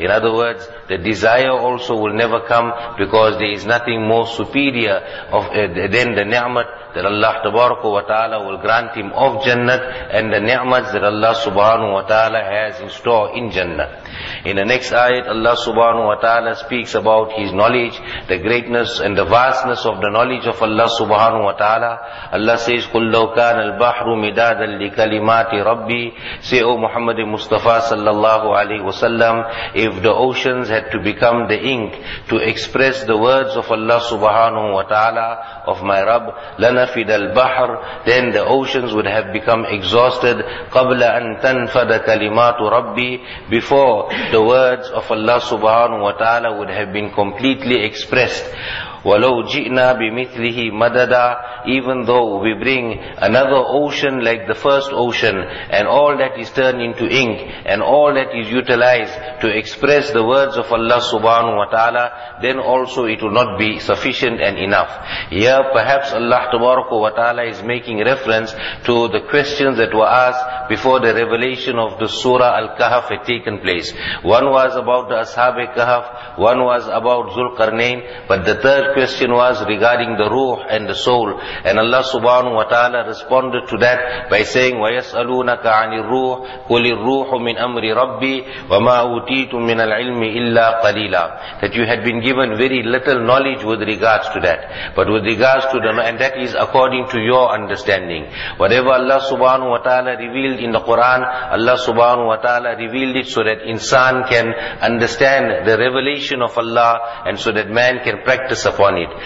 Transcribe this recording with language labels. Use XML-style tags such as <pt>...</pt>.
<en>In other words, the desire also will never come, because there is nothing more superior than the ni'mat that Allah tabaraka wa ta'ala will grant him of Jannat, and the ni'mat that Allah subhanahu wa ta'ala has in store in Jannat. In the next ayat, Allah subhanahu wa ta'ala speaks about his knowledge, the greatness and the vastness of the knowledge of Allah subhanahu wa ta'ala. Allah says,</en> <ar>قُلْ لَوْ كَانَ الْبَحْرُ مِدَادًا لِكَلِمَاتِ رَبِّي.</ar> <en>Say, O Muhammad Mustafa sallallahu alayhi wa sallam, if the oceans had to become the ink to express the words of Allah subhanahu wa ta'ala, of my Rabb,</en> <ar>لَنَفِدَ الْبَحْرُ,</ar> <en>then the oceans would have become exhausted,</en> <ar>قَبْلَ أَن تَنْفَدَ كَلِمَاتُ رَبِّي,</ar> <en>before the words of Allah subhanahu wa ta'ala would have been completely expressed.</en> <ar>وَلَوْ جِئْنَا بِمِثْلِهِ مَدَدًا.</ar> <en>Even though we bring another ocean like the first ocean, and all that is turned into ink, and all that is utilized to express the words of Allah subhanahu wa ta'ala, then also it will not be sufficient and enough. Here perhaps Allah tabaraka wa ta'ala is making reference to the questions that were asked before the revelation of the surah Al-Kahf had taken place. One was about the Ashab al-Kahf, one was about Zulqarnain, but the third question was regarding the ruh and the soul. And Allah subhanahu wa ta'ala responded to that by saying,</en> <ar>وَيَسْأَلُونَكَ عَنِ الرُّوحِ قُلِ الرُّوحُ مِنْ أَمْرِ رَبِّي وَمَا أُوتِيتُم مِّنَ الْعِلْمِ إِلَّا قَلِيلًا.</ar> <en>That you had been given very little knowledge with regards to that. But with regards to the, and that is according to your understanding. Whatever Allah subhanahu wa ta'ala revealed in the Quran, Allah subhanahu wa ta'ala revealed it so that insan can understand the revelation of Allah and so that man can practice upon it.</en>